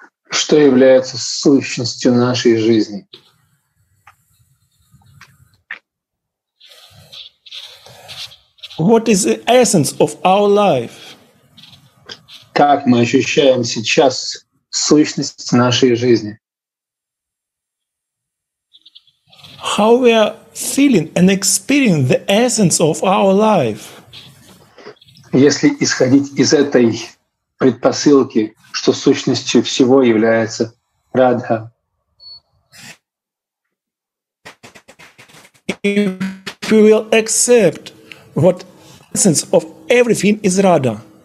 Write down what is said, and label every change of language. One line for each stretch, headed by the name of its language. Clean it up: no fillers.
Russian: Что является сущностью нашей жизни?
English: What is the essence of our life?
Russian: Как мы ощущаем сейчас сущность нашей жизни?
English: How we are feeling and experiencing the essence of our life?
Russian: Если исходить из этой предпосылки, что сущностью всего является Радха.
English: If we will accept what essence of everything is Radha.